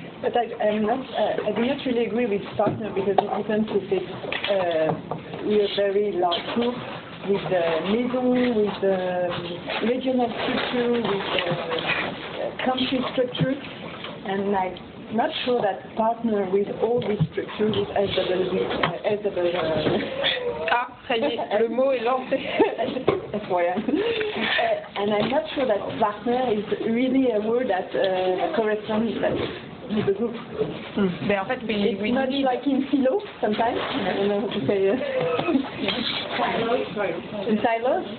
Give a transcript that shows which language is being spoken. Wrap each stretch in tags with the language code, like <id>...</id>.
<en>But I do not really agree with partner because it depends if it's we are very large group with the maison, with the regional structure, with the country structure, and like not sure that partner with all these structures is as the</en> <fr>Ah, ça y est, le mot est lancé.</fr> <en>That's why. And I'm not sure that partner is really a word that corresponds to that.</en> <fr>Mm. Mais en fait,</fr> <en>it's not need like in silo sometimes. Yeah. I don't know how to say it. In silos.</en>